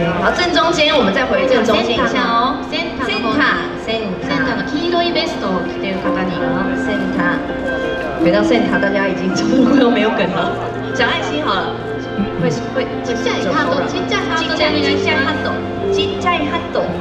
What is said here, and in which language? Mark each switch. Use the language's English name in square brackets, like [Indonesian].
[Chinese] 好，正中间，我们再回正中间一下哦。 [Japanese] センターの方。センター。センターの黄色いベストを着ている方に。センター。 [Chinese] 回到センター，大家已经中午都没有梗了。讲爱心好了。会接下来哈斗，接下来哈斗，接下来哈斗，接下来哈斗。